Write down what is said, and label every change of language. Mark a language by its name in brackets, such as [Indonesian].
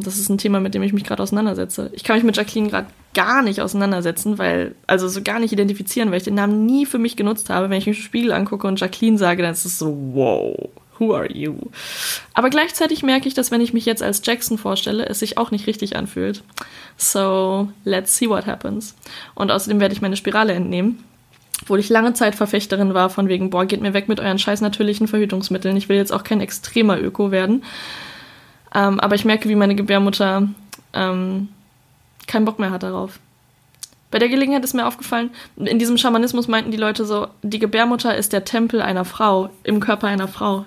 [German] Das ist ein Thema, mit dem ich mich gerade auseinandersetze. Ich kann mich mit Jacqueline gerade gar nicht auseinandersetzen, weil, also so gar nicht identifizieren, weil ich den Namen nie für mich genutzt habe. Wenn ich mich im Spiegel angucke und Jacqueline sage, dann ist es so, wow, [English] who are you? [German] Aber gleichzeitig merke ich, dass wenn ich mich jetzt als Jackson vorstelle, es sich auch nicht richtig anfühlt. [English] So, let's see what happens. [German] Und außerdem werde ich meine Spirale entnehmen. Obwohl ich lange Zeit Verfechterin war von wegen, boah, geht mir weg mit euren scheiß natürlichen Verhütungsmitteln. Ich will jetzt auch kein extremer Öko werden. Aber ich merke, wie meine Gebärmutter keinen Bock mehr hat darauf. Bei der Gelegenheit ist mir aufgefallen, in diesem Schamanismus meinten die Leute so, die Gebärmutter ist der Tempel einer Frau, im Körper einer Frau.